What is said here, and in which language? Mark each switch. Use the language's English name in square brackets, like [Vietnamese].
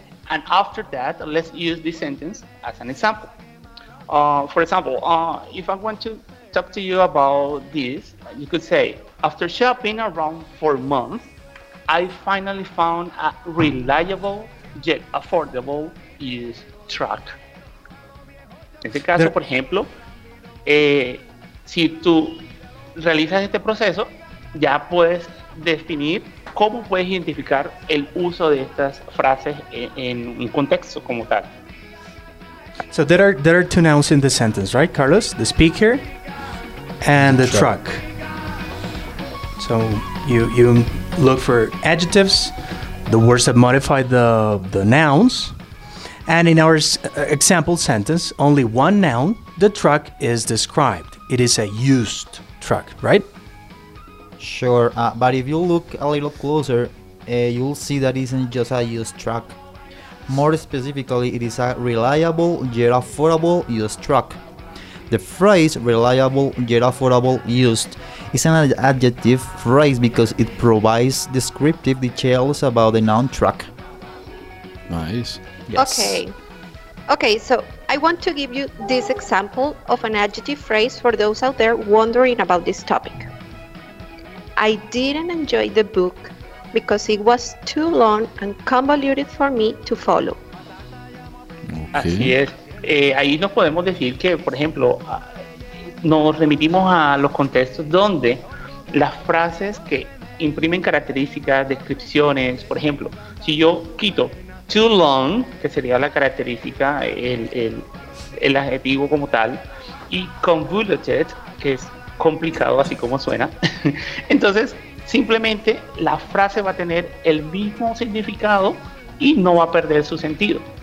[English] And after that, let's use this sentence as an example. For example, if I want to talk to you about this, you could say, after shopping around for months, I finally found a reliable yet affordable used truck. [Spanish] En este caso, por ejemplo, si tú realizas este proceso, ya puedes definir cómo puedes identificar el uso de estas frases en un contexto como tal. [English] So there are two nouns in the sentence, right, Carlos? The speaker and the truck. So you look for adjectives the words that modify the nouns. And in our example sentence, only one noun, the truck, is described. It is a used truck, right? Sure, but if you look a little closer, you'll see that isn't just a used truck. More specifically, it is a reliable yet affordable used truck. The phrase reliable yet affordable used is an adjective phrase because it provides descriptive details about the noun truck. Nice. Yes. Okay. Okay, so I want to give you this example of an adjective phrase for those out there wondering about this topic. I didn't enjoy the book because it was too long and convoluted for me to follow. [Spanish] Okay. Así es. Ahí nos podemos decir que, por ejemplo, nos remitimos a los contextos donde las frases que imprimen características, descripciones, por ejemplo, si yo quito [English] too long, [Spanish] que sería la característica, el adjetivo como tal, y [English] convoluted, [Spanish] que es complicado, así como suena, entonces simplemente la frase va a tener el mismo significado y no va a perder su sentido.